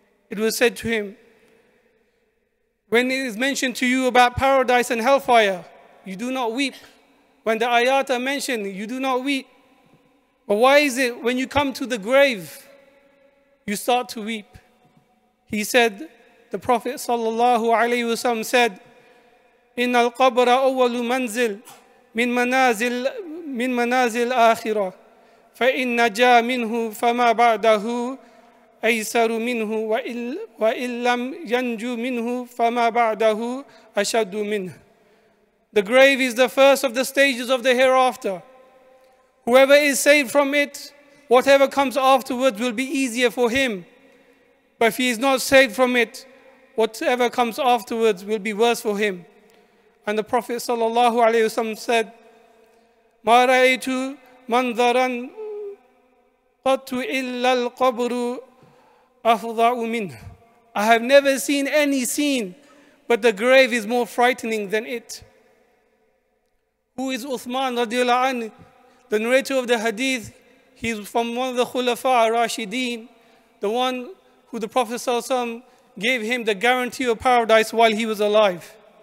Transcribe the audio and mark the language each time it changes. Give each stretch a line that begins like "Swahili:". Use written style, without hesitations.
English: It was said to him, when it is mentioned to you about paradise and hellfire, you do not weep. When the ayat are mentioned, you do not weep. But why is it when you come to the grave, you start to weep? He said, the Prophet sallallahu alayhi wasallam said,
Arabic: إِنَّ الْقَبْرَ أَوَّلُ مَنْزِلٍ مِنْ مَنَازِلِ الْآخِرَةِ فَإِنْ نَجَى مِنْهُ فَمَا بَعْدَهُ أَيْسَرُ مِنْهُ وَإِنْ لَمْ يَنْجُ مِنْهُ فَمَا بَعْدَهُ أَشَدُّ مِنْهُ.
English: The grave is the first of the stages of the hereafter. Whoever is saved from it, whatever comes afterwards will be easier for him. But if he is not saved from it, whatever comes afterwards will be worse for him. And the Prophet sallallahu alaihi wasallam said,
Arabic: مَا رَأَيْتُ مَنْظَرًا قَطُ إِلَّا الْقَبْرُ أَفْضَعُ مِنْهُ.
English: I have never seen any scene, but the grave is more frightening than it. Who is Uthman radiallahu anhu? The narrator of the hadith, he's from one of the Khulafa Rashideen, the one who the Prophet sallallahu alaihi wasallam gave him the guarantee of paradise while he was alive.